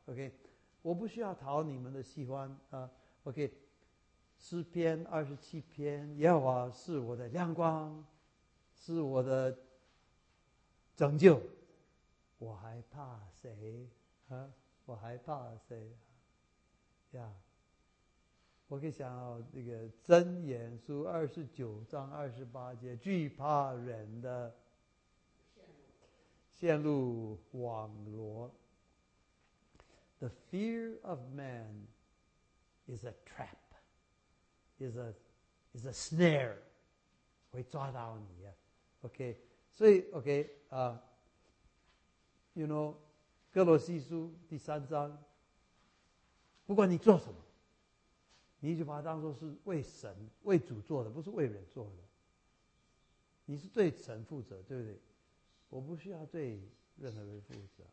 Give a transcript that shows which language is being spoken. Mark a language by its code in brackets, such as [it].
[zh] OK， 我不需要讨你们的喜欢啊。OK， 诗篇二十七篇，耶和华是我的亮光，是我的拯救，我还怕谁啊？我还怕谁呀？Yeah. 我可以想到那个箴言书二十九章二十八节，惧怕人的陷入网罗。 [en] The fear of man is a trap, is a snare, [zh] 会抓到你啊。 OK， 所以 OK 啊、， [en] you know， [zh] 哥罗西书第三章，不管你做什么。你就把它当作是为神、为主做的，不是为人做的。你是对神负责，对不对？我不需要对任何人负责。